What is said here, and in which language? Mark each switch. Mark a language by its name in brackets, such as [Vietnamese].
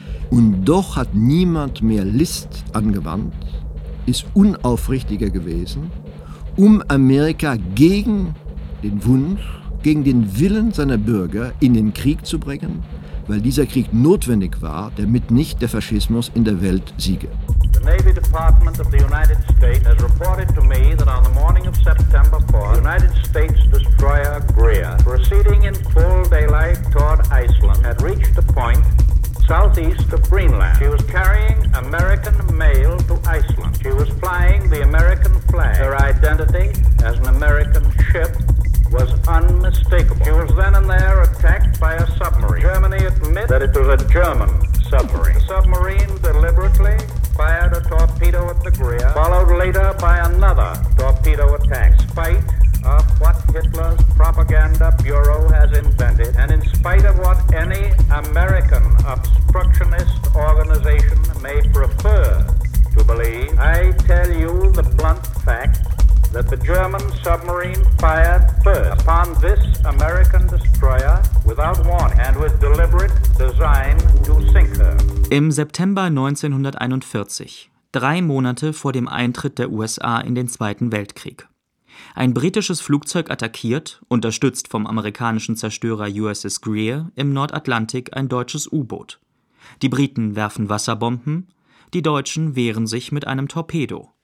[German] Und doch hat niemand mehr List angewandt, ist unaufrichtiger gewesen, um Amerika gegen den Wunsch, gegen den Willen seiner Bürger in den Krieg zu bringen, weil dieser Krieg notwendig war, damit nicht der Faschismus in der Welt siege. [English] The Navy Department of the United States has reported to me that on the morning of September 4, United States destroyer Greer, proceeding in full daylight toward Iceland, had reached a point southeast of Greenland. She was carrying American mail to Iceland. She was flying the American flag. Her identity as an American ship was unmistakable. She was then and there attacked by a submarine. Germany admit that it was a German submarine. The submarine deliberately fired a torpedo at the Greer, followed later by another torpedo attack. In spite of what Hitler's propaganda bureau has invented, and in spite of what any American obstructionist organization may prefer to believe, I tell you the blunt fact that submarine fired first upon this American destroyer without warning and with deliberate design to sink her. [German] Im September 1941, drei Monate vor dem Eintritt der USA in den Zweiten Weltkrieg. Ein britisches Flugzeug attackiert, unterstützt vom amerikanischen Zerstörer USS Greer, im Nordatlantik ein deutsches U-Boot. Die Briten werfen Wasserbomben, die Deutschen wehren sich mit einem Torpedo.